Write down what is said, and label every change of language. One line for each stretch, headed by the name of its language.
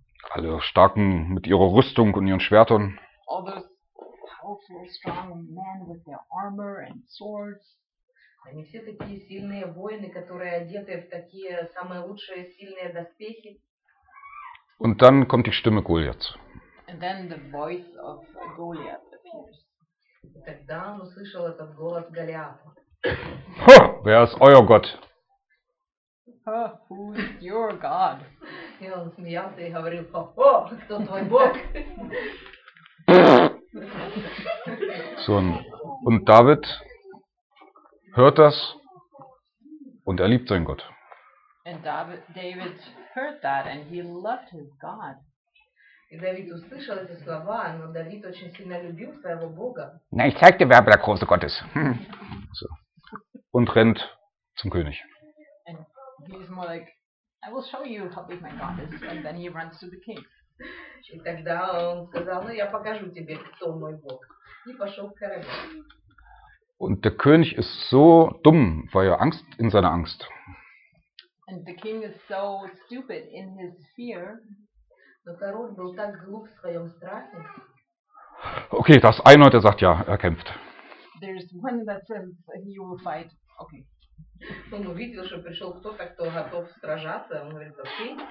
German: Alle starken mit ihrer Rüstung und ihren Schwertern.
English: All those powerful, strong men with their armor and swords.
Russian: Они все такие сильные воины, которые одеты в такие самые лучшие сильные доспехи.
German: Und dann kommt die Stimme Goliaths.
English: And then the voice of Goliath appears.
Russian: Тогда он услышал этот голос Голиафа.
German: Ha, wer ist euer Gott?
English: Ha, who is your God?
Russian: И он смеялся и говорил, о, кто твой Бог?
German: So, und David hört das und er liebt seinen Gott.
English: And David heard that and he loved his God.
Russian: И Давид услышал эти слова, но Давид очень сильно любил своего Бога.
German: Na, ich zeig dir, wer der große Gott ist. So. Und rennt zum König.
English: And he's more like, I will show you how big my God is. And then he runs to the king.
Russian: И тогда он сказал, ну я покажу тебе, кто мой Бог. И пошел к королю.
German: Und der König ist so dumm, weil er Angst in seiner Angst.
English: And the king is so stupid in his fear.
Russian: Но король был так глуп в своем страхе.
German: Okay, das einer, der sagt ja, er kämpft.
English: There's one that says he will fight. Okay.
Russian: Он увидел, что пришел кто-то, кто готов сражаться. Он говорит, okay.